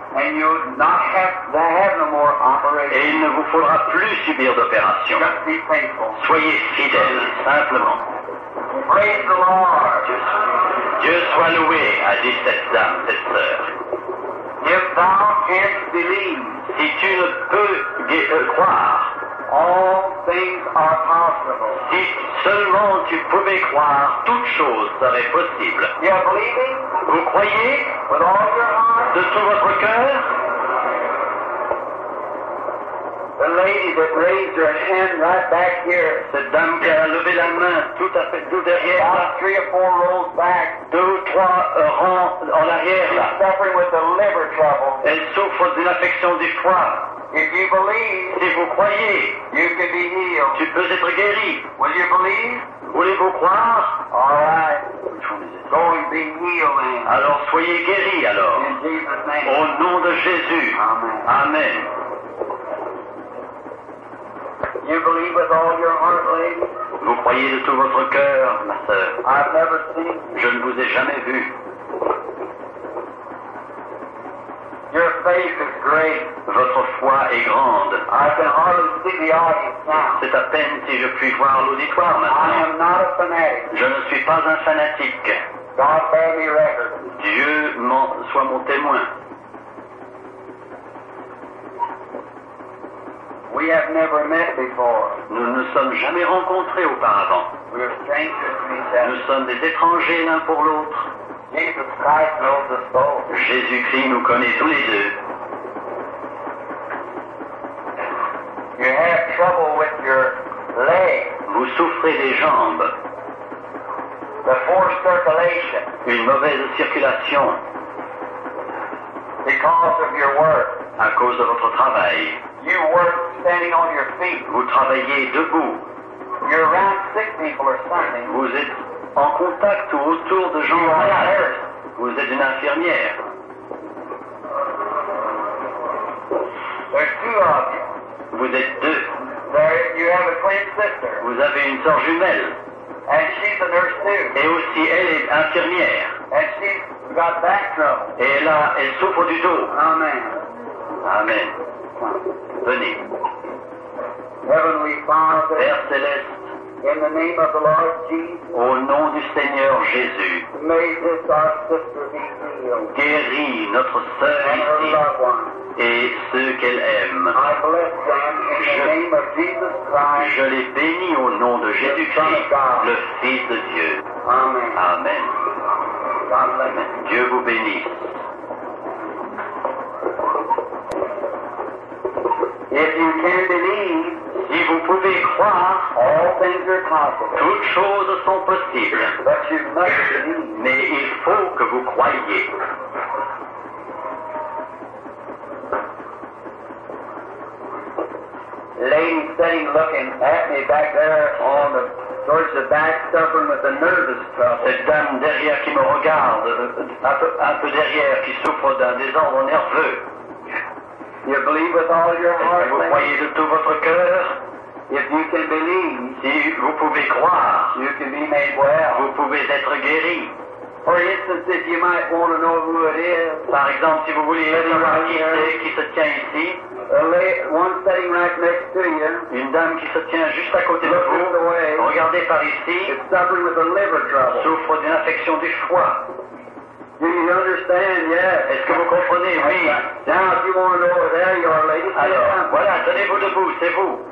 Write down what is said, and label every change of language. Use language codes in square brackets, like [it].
[en] And you'll not have no more operations. [fr] Et il ne vous faudra plus subir d'opérations. [en] Just be faithful. [fr] Soyez fidèles, simplement. [en] Praise God. the Lord. [fr] Dieu soit loué, a dit cette dame, cette sœur. [en] If thou canst believe, [fr] si tu ne peux croire, [en] all things are possible. [fr] Si seulement tu pouvais croire, toutes choses seraient possibles. [en] You are believing? [fr] Vous croyez? [en] With all your heart? [fr] De tout votre cœur? [en] The lady that raised her hand right back here. [fr] Cette dame qui a levé la main tout à fait tout derrière. [en] About three or four rows back. [fr] Deux ou trois rangs en arrière. [en] She's suffering with a liver trouble. [fr] Elle souffre d'une affection du foie. [en] If you believe, [fr] si vous croyez, [en] you can be healed. [fr] Tu peux être guéri. [en] Will you believe? [fr] Voulez-vous croire? [en] All right. Go and be healed. [fr] Alors soyez guéri alors. [en] In Jesus' name. [fr] Au nom de Jésus. [en] Amen. [fr] Amen. [en] You believe with all your heart, lady? [fr] Vous croyez de tout votre cœur, ma sœur. [en] I've never seen. [fr] Je ne vous ai jamais vu. [en] Your faith is great. [fr] Votre foi est grande. [en] I can hardly see the audience now. [fr] C'est à peine si je puis voir l'auditoire maintenant. [en] I am not a fanatic. [fr] Je ne suis pas un fanatique. [en] God bear me record. [fr] Dieu soit mon témoin. [en] We have never met before. [fr] Nous ne sommes jamais rencontrés auparavant. [en] We are strangers to each [fr] other. Nous sommes des étrangers l'un pour l'autre. [en] Jesus Christ knows us both. [fr] Jésus-Christ nous connaît tous les deux. [en] You have trouble with your leg. [fr] Vous souffrez des jambes. [en] The forced circulation. [fr] Une mauvaise circulation. [en] Because of your work. [fr] À cause de votre travail. [en] You work standing on your feet. [fr] Vous travaillez debout. [en] You're around sick people or something. [fr] Vous êtes en contact ou autour de gens malades. Vous êtes une infirmière. [en] There's two of you. [fr] Vous êtes deux. [en] There, you have a twin sister. [fr] Vous avez une sœur jumelle. [en] And she's a nurse too. [fr] Et aussi elle est infirmière. [en] And she's got back trouble. [fr] Et là, elle souffre du dos. [en] Amen. [fr] Amen. Venez. [en] Heavenly Father, [fr] Père Céleste, [en] in the name of the Lord Jesus, [fr] au nom du Seigneur Jésus, [en] may this our sister be healed. [fr] Guéris notre sœur ici et ceux qu'elle aime. [en] I bless them in the name of Jesus Christ. [fr] Je les bénis au nom de Jésus-Christ, le Fils de Dieu. [en] Amen. [fr] Amen. [en] God bless you. [fr] Dieu vous bénisse. [en] If you can believe, [fr] si vous pouvez croire, [en] all things are possible. [fr] Toutes choses sont possibles. [en] But you must believe. [fr] Mais il faut que vous croyiez. [en] Lady sitting looking at me back there on the towards the back, suffering with a nervous trouble. [fr] Cette dame derrière qui me regarde, un peu derrière, qui souffre d'un désordre nerveux. [en] You believe with all your heart. [fr] Vous croyez de tout votre cœur. [en] If you can believe, [fr] si vous pouvez croire, [en] you can be made well. [fr] Vous pouvez être guéri. [en] For instance, if you might want to know who it is. [fr] Par exemple, si vous voulez savoir qui se tient ici. [en] One sitting right next to you. [fr] Une dame qui se tient juste à côté de vous. Regardez par ici. [en] Is suffering with a liver trouble. [fr] Souffre d'une affection du foie. [en] Do you understand? Yes. [fr] Est-ce que vous comprenez? Oui. [en] Now, if you want to know where there you are, lady. [fr] Alors, voilà, tenez-vous debout, c'est vous.